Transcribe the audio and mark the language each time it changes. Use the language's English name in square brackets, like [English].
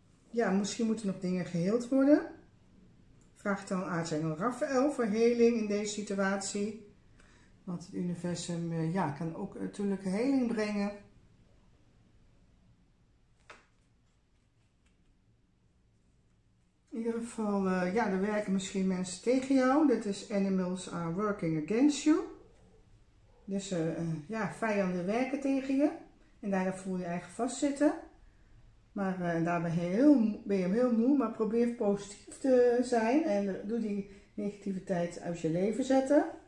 [Dutch] Ja, misschien moeten nog dingen geheeld worden. Vraag dan aartsengel Raphaël voor heling in deze situatie. Want het universum, ja, kan ook natuurlijk heling brengen. In ieder geval, ja, er werken misschien mensen tegen jou. Dit is [English] animals are working against you. [Dutch] Dus ja, vijanden werken tegen je. En daar voel je je eigen vastzitten. Maar daarbij ben je heel moe. Maar probeer positief te zijn. En doe die negativiteit uit je leven zetten.